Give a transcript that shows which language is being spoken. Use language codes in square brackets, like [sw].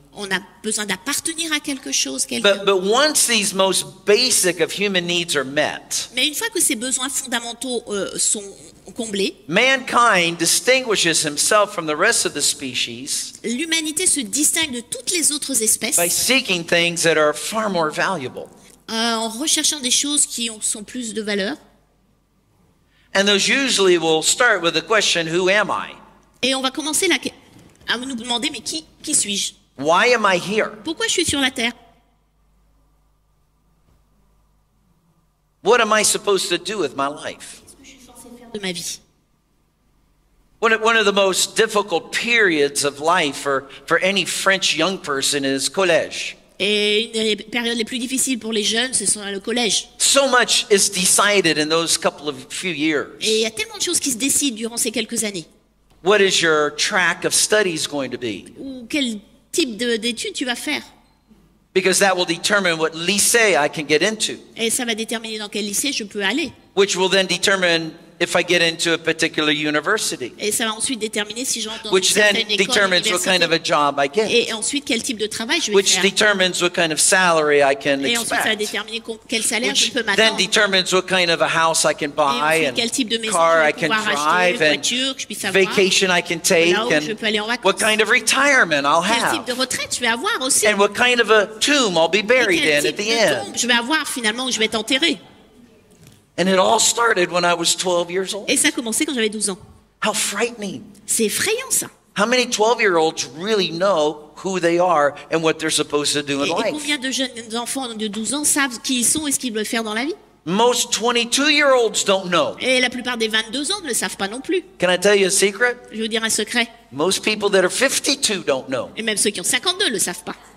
[fr] On a besoin d'appartenir à quelque chose, quelqu'un. [en] But once these most basic of human needs are met, [fr] mais une fois que ces besoins fondamentaux sont comblés, [en] mankind distinguishes himself from the rest of the species. [fr] L'humanité se distingue de toutes les autres espèces [en] by seeking things that are far more valuable. [fr] En recherchant des choses qui sont plus de valeur. [en] And those usually will start with the question, who am I? [fr] Et on va commencer à nous demander, mais qui suis-je? [en] Why am I here? [fr] Pourquoi je suis sur la terre? [en] What am I supposed to do with my life? [fr] De ma vie. [en] One of the most difficult periods of life for any French young person is collège. [fr] Et une des périodes les plus difficiles pour les jeunes, ce sont le collège. [en] So much is decided in those couple of few years. [fr] Et il y a tellement de choses qui se décident durant ces quelques années. [en] What is your track of studies going to be? [fr] Ou quel type d'études tu vas faire? [en] Because that will determine what lycée I can get into. [fr] Et ça va déterminer dans quel lycée je peux aller. [en] Which will then determine if I get into a particular university. [fr] Et ça va ensuite déterminer si j'entre dans [en] which [fr] une certaine école. [en] Which then determines what kind of a job I get. [fr] Et ensuite quel type de travail je vais [en] which [fr] faire. [en] Which determines what kind of salary I can [fr] et [en] expect. [fr] Et ensuite ça va déterminer quel salaire [en] which [fr] je peux m'attendre. [en] Which then determines what kind of a house I can buy [fr] et ensuite, [en] and [fr] quel type de maison [en] car [fr] je vais pouvoir [en] I can drive [fr] acheter, voiture, que je puisse avoir, [en] vacation I can take and [fr] je peux aller en vacances. [en] What kind of retirement I'll have. [fr] Quel type de retraite je vais avoir aussi. [en] And what kind of a tomb I'll be buried in at the end. [fr] Et quel type de tombe je vais avoir finalement où je vais être enterré. [en] And it all started when I was 12 years old. [fr] Et ça a commencé quand j'avais 12 ans. [en] How frightening. [fr] C'est effrayant ça. [en] How many 12-year-olds really know who they are and what they're supposed to do in life? [fr] Et combien de jeunes enfants de 12 ans savent qui ils sont et ce qu'ils veulent faire dans la vie? [en] Most 22-year-olds don't know. [fr] Et la plupart des 22 ans ne le savent pas non plus. [en] Can I tell you a secret? [fr] Je vais vous dire un secret. [en] Most people that are 52 don't know. [fr] Et même ceux qui ont 52 ne le savent pas.